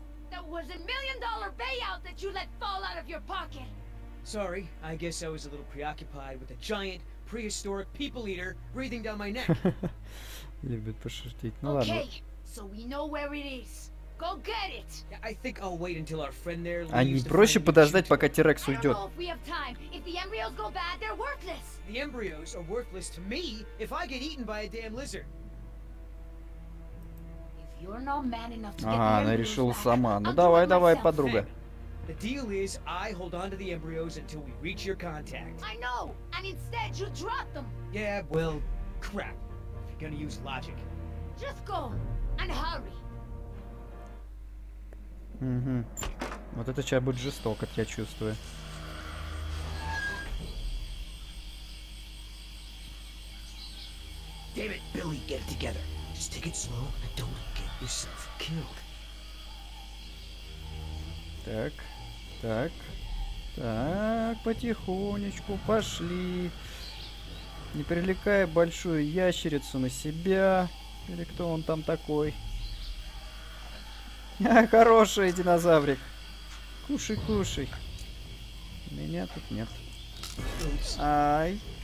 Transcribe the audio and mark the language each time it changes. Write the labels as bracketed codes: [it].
[en] That was a million-dollar payout that you let fall out of your pocket. Sorry, I guess I was a little preoccupied with a giant prehistoric people eater breathing down my neck. [ru] Любит пошутить. Ну ладно. [en] Okay, so we know where it is. Go get it. I think I'll wait until our friend there leaves. [ru] А не проще подождать, пока Тирекс уйдет? [en] I don't know if we have time. If the embryos go bad, they're worthless. The embryos are worthless to me if I get eaten by a damn lizard. You're not man enough to get the embryos. [ru] Она решила сама. Ну давай, давай, подруга. [en] The deal is, I hold on to the embryos until we reach your contact. I know. And instead, you drop them. Yeah, well, crap. If you're gonna use logic. Just go and hurry. Mm-hmm. [ru] Вот это чай будет жесток, как я чувствую. [en] Damn it, Billy, get it together. Just take it slow and don't get yourself killed. [ru] Так, так, так, потихонечку пошли. Не привлекая большую ящерицу на себя. Или кто он там такой? Хороший динозаврик. Кушай, кушай. Меня тут нет. Ай.